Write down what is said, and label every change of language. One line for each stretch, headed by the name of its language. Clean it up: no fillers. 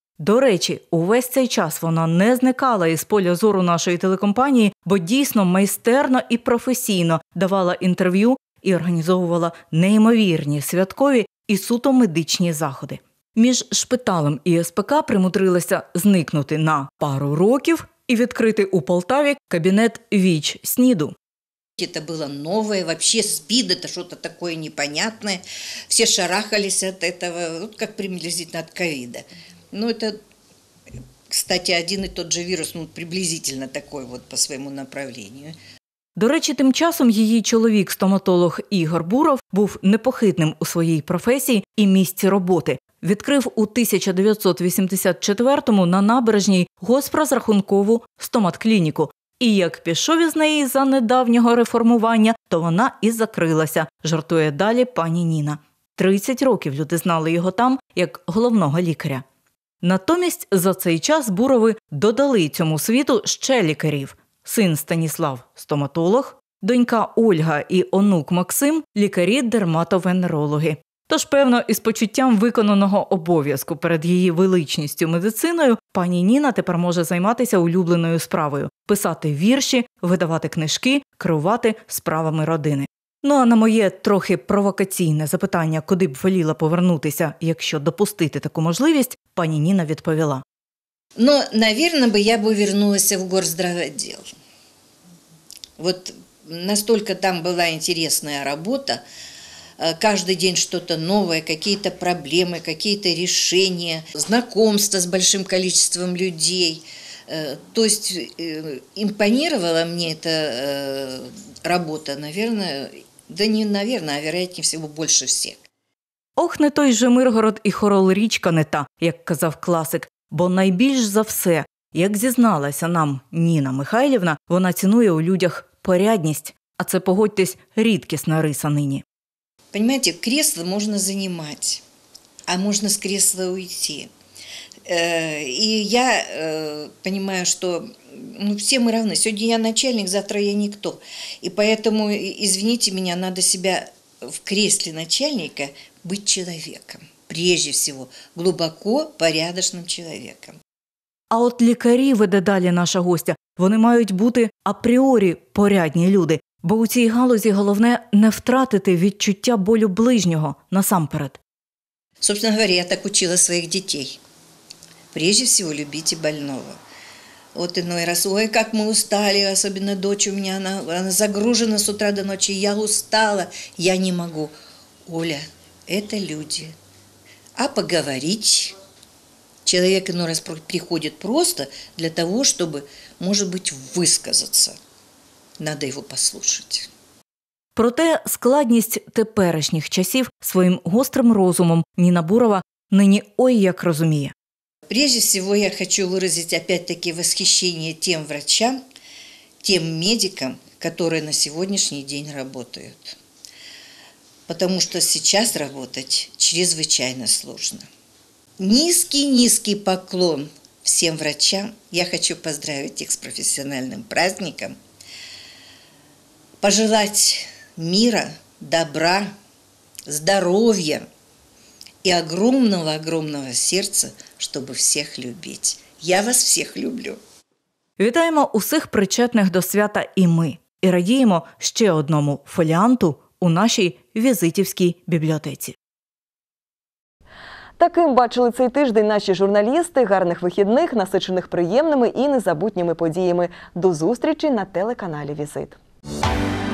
Ukrainian: До речі, увесь цей час вона не зникала із поля зору нашої телекомпанії, бо дійсно майстерно і професійно давала інтерв'ю і організовувала неймовірні святкові і суто медичні заходи. Між шпиталем і СПК примудрилася зникнути на пару років і відкрити у Полтаві кабінет «Віч СНІДу».
Russian: Это было новое, вообще СПИД, это что-то такое непонятное. Все шарахались от этого, вот как приблизительно от ковида. Ну, это, кстати, один и тот же вирус, ну, приблизительно такой вот по своему направлению.
Ukrainian: До речі, тим часом її чоловік-стоматолог Ігор Буров був непохитним у своїй професії і місці роботи. Відкрив у 1984-му на набережній госпрозрахункову стоматклініку. І як пішов із неї за недавнього реформування, то вона і закрилася, жартує далі пані Ніна. 30 років люди знали його там як головного лікаря. Натомість за цей час Бурови додали цьому світу ще лікарів. Син Станіслав – стоматолог, донька Ольга і онук Максим – лікарі-дерматовенерологи. Тож, певно, із почуттям виконаного обов'язку перед її величністю медициною, пані Ніна тепер може займатися улюбленою справою – писати вірші, видавати книжки, керувати справами родини. Ну а на моє трохи провокаційне запитання, куди б воліла повернутися, якщо допустити таку можливість, пані Ніна відповіла.
Russian: Но, наверное, бы я бы вернулась в горздравотдел. Вот настолько там была интересная работа. Каждый день что-то новое, какие-то проблемы, какие-то решения, знакомства с большим количеством людей. То есть импонировала мне эта работа, наверное, да не наверное, а вероятнее всего больше всех.
Ukrainian: Ох, не той же Миргород и Хорол річка не та, як казав класик. Бо найбільш за все, як зізналася нам Ніна Михайлівна, вона цінує у людях порядність, а це, погодьтесь, рідкісна риса нині.
Russian: Понимаете,
Ukrainian: кресло можна займати, а можна з кресла уйти. І я розумію, що ну, всі ми рівні. Сьогодні я начальник, завтра я ніхто. І тому,
Russian: извините
Ukrainian: мене, треба себе в кріслі начальника бути чоловіком.
Russian: Прежде всего, глубоко
Ukrainian: порядочним чоловіком. А от лікарі, веде далі наша гостя, вони мають бути апріорі порядні люди. Бо у цій галузі головне не втратити відчуття болю ближнього насамперед.
Russian: Собственно говоря, я так учила
Ukrainian: своїх дітей.
Russian: Прежде всего, любіть больного.
Ukrainian: От іной раз, ой, як ми устали, особливо дочь у мене, вона загружена з утра до ночі, я устала, я не можу. Оля, це люди.
Russian: А поговорить. Человек иной раз приходит просто для того, чтобы, может быть, высказаться. Надо его послушать.
Ukrainian: Проте складність теперішніх часів своїм гострим розумом Ніна Бурова нині ой як розуміє.
Russian: Прежде всего, я хочу выразить опять-таки восхищение тем врачам, тем медикам, которые на сегодняшний день работают. Потому что сейчас работать чрезвычайно сложно. Низкий-низкий поклон всем врачам. Я хочу поздравить их с профессиональным праздником. Пожелать мира, добра, здоровья и огромного-огромного сердца, чтобы всех любить.
Ukrainian: Я вас всіх люблю. Вітаємо усіх причетних до свята і ми. І радіємо ще одному фоліанту у нашій візитівській бібліотеці. Таким бачили цей тиждень наші журналісти. Гарних вихідних, насичених приємними і незабутніми подіями. До зустрічі на телеканалі «Візит».